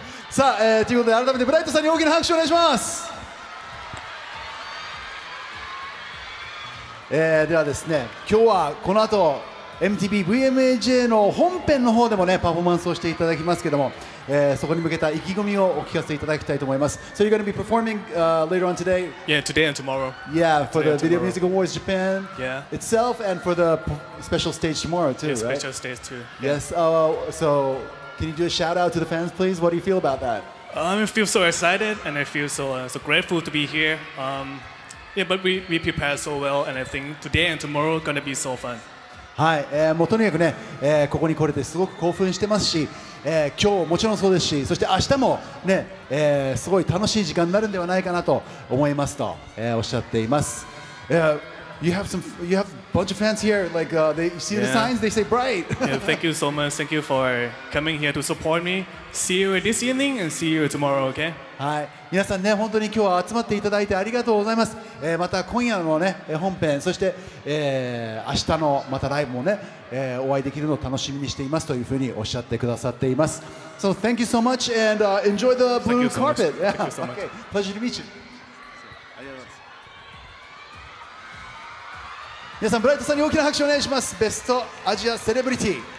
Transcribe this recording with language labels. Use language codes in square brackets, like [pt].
[ja] さあ、ということで改めてブライトさんに大きな拍手をお願いします。ではですね、今日はこの後 MTV VMAJ の本編の方でもねパフォーマンスをしていただきますけども、そこに向けた意気込みをお聞かせいただきたいと思います。 [en] So you're going to be performing、later on today? Yeah, today and tomorrow. Yeah, for the Video Music Awards Japan、 yeah. itself and for the special stage tomorrow too, yeah, special right? stage too. Yes,、so can you do a shout out to the fans please? What do you feel about that? I feel so excited and I feel so, so grateful to be here. Yeah, but we prepared so well and I think today and tomorrow are going to be so fun. [ja] はい、もうとにかくね、ここに来れてすごく興奮してますし、今日もちろんそうですし、そして明日もね、すごい楽しい時間になるんではないかなと思いますと、おっしゃっています。 [en] You have a bunch of fans here, like, they see the signs, they say bright. Yeah, thank you so much, thank you for coming here to support me. See you this evening and see you tomorrow, okay? [ja] はい、皆さんね、本当に今日は集まっていただいてありがとうございます。また今夜のね、本編、そして、明日のまたライブもね、お会いできるのを楽しみにしていますというふうにおっしゃってくださっています。 [en] So thank you so much and enjoy the blue thank carpet. Thank you so much. Okay, pleasure to meet you. [ja] 皆さん、ブライトさんに大きな拍手をお願いします。ベストアジアセレブリティ。